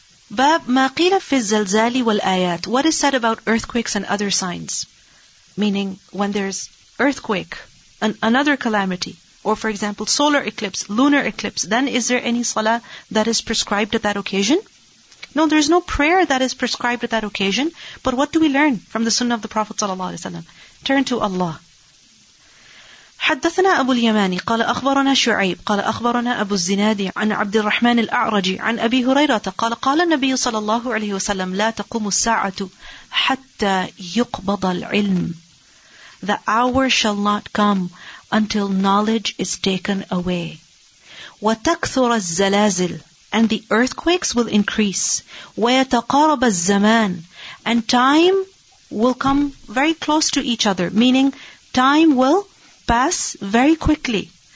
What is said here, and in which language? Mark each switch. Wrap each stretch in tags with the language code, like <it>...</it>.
<ar>Bab ما قيل في الزلزال والآيات.</ar> <en>What is said about earthquakes and other signs? Meaning when there's earthquake, another calamity, or for example, solar eclipse, lunar eclipse, then is there any salah that is prescribed at that occasion? No, there is no prayer that is prescribed at that occasion. But what do we learn from the sunnah of the Prophet ﷺ? Turn to Allah.</en> <ar>حدثنا أبو اليماني قال أخبرنا شعيب قال أخبرنا أبو الزناد عن عبد الرحمن الأعرج عن أبي هريرة قال قال النبي صلى الله عليه وسلم لا تقوم الساعة حتى يقبض العلم.</ar> <en>The hour shall not come until knowledge is taken away.</en> <ar>وَتَكْثُرَ الزَّلَازِلِ.</ar> <en>And the earthquakes will increase.</en> <ar>وَيَتَقَارَبَ الزَّمَانِ.</ar> <en>And time will come very close to each other, meaning time will pass very quickly.</en>